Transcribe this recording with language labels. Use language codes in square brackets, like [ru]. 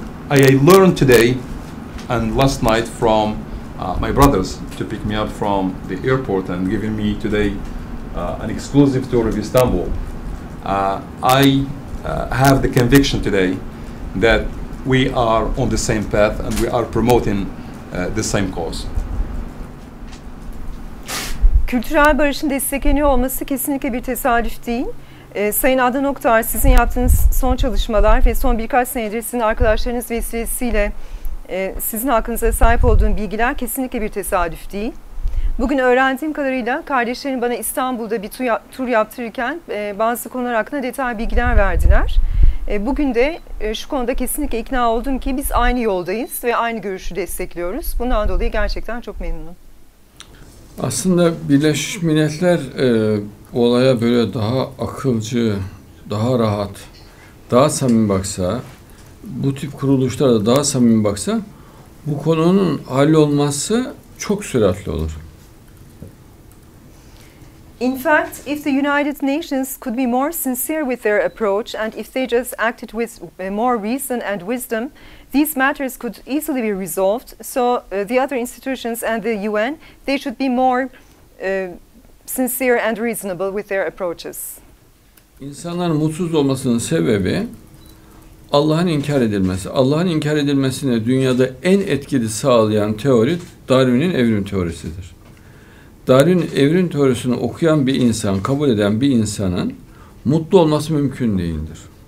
[en] I learned today and last night from my brothers to pick me up from the airport and giving me today an exclusive tour of Istanbul. I have the conviction today that we are on the same path and we are promoting the same cause. [tr] Kültürel barışın destekleniyor olması kesinlikle bir tesadüf değil. Sayın Adnan Oktar, sizin yaptığınız son çalışmalar ve son birkaç senedir sizin arkadaşlarınız vesilesiyle sizin hakkınıza sahip olduğum bilgiler kesinlikle bir tesadüf değil. Bugün öğrendiğim kadarıyla kardeşlerim bana İstanbul'da bir tur yaptırırken bazı konular hakkında detaylı bilgiler verdiler. Bugün de şu konuda kesinlikle ikna oldum ki biz aynı yoldayız ve aynı görüşü destekliyoruz. Bundan dolayı gerçekten çok memnunum. Aslında Birleşmiş Milletler olaya böyle daha akılcı, daha rahat, daha samimi baksa, bu tip kuruluşlara da daha samimi baksa, bu konunun hallolması çok süratli olur. [en] In fact, if the United Nations could be more sincere with their approach and if they just acted with more reason and wisdom, these matters could easily be resolved. So the other institutions and the UN, they should be more sincere and reasonable with their approaches. [tr] İnsanların mutsuz olmasının sebebi Allah'ın inkar edilmesi. Allah'ın inkar edilmesine dünyada en etkili sağlayan teori Darwin'in evrim teorisidir. Darwin'in evrim teorisini okuyan bir insan, kabul eden bir insanın mutlu olması mümkün değildir.